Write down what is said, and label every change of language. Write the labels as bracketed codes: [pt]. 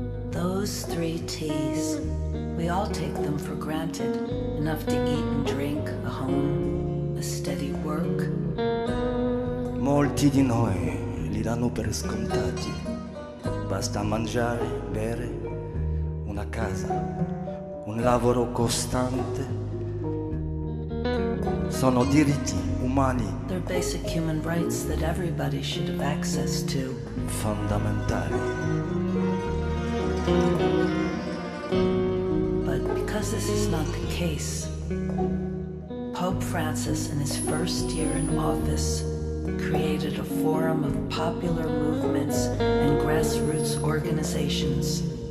[en] Those three T's, we all take them for granted. Enough to eat and drink, a home, a steady work. [it] Molti di noi li danno per scontati. Basta mangiare, bere, una casa, un lavoro costante. Sono diritti umani. [en] They're basic human rights that everybody should have access to. [it] Fondamentali. [en] But because this is not the case, Pope Francis, in his first year in office, created a forum of popular movements and grassroots organizations.